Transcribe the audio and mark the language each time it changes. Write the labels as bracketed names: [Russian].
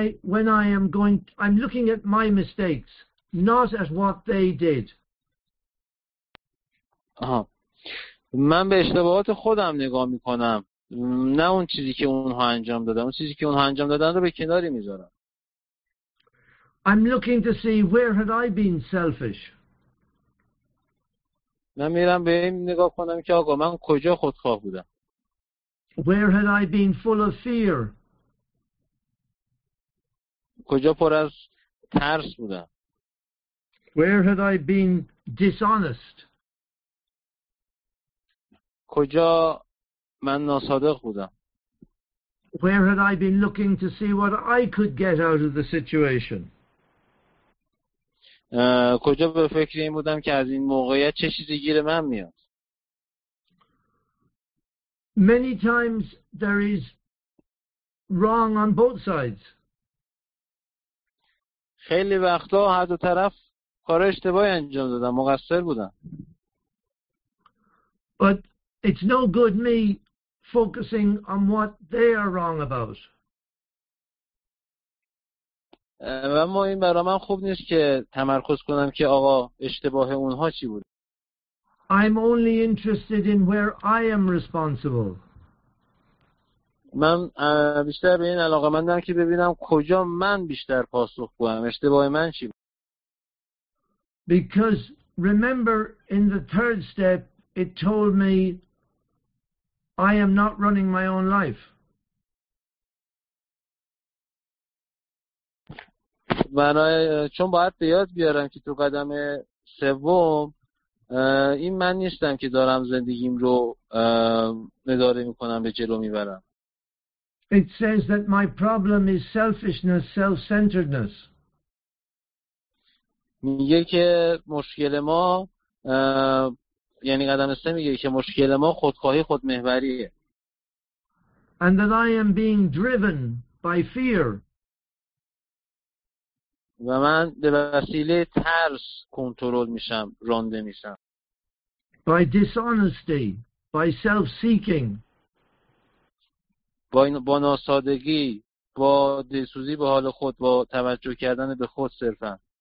[English] When I'm looking at my mistakes, not at what they did. [Persian] من به اشتباهات خودم نگاه میکنم، نه اون چیزی که اونها انجام دادن. اون چیزی که اونها انجام دادن رو به کناری میذارم. [English] I'm looking to see where had I been selfish. [Persian] من میرم به این نگاه کنم که آقا من کجا خودخواه بودم. [English] Where had I been full of fear? [Persian] کجا پر از ترس بودم. [English] Where had I been dishonest? [Persian] کجا من ناصادق بودم. [English] Where had I been looking to see what I could get out of the situation? [Persian] کجا به فکر این بودم که از این موقعیت چه چیزی گیر من میاد. [English] Many times there is wrong on both sides. [Persian] خیلی وقتا هر دو طرف کار اشتباهی انجام دادم، مقصر بودم. [English] But it's no good me focusing on what they are wrong about. [Persian] اما این برای من خوب نیست که تمرکز کنم که آقا اشتباه اونها چی بود. [English] I'm only interested in where I am responsible. [Persian] من بیشتر به این علاقه مندم که ببینم کجا من بیشتر پاسخ بودم، اشتباه من چی بود. [English] Because remember in the third step it told me I am not running my own life. [Persian] چون باید به یاد بیارم که تو قدم سوم این من نیستم که دارم زندگیم رو اداره میکنم، به جلو میبرم. [English] It says that my problem is selfishness, self-centeredness. [Persian] میگه که مشکل ما، یعنی قدم سه میگه که مشکل ما خودخواهی، خودمحوریه. [English] And that I am being driven by fear. [Persian] و من به وسیله ترس کنترل میشم، رانده میشم. [English] By dishonesty, by self-seeking. [Persian] با ناسادگی، با دلسوزی به حال خود، با توجه کردن به خود صرفا.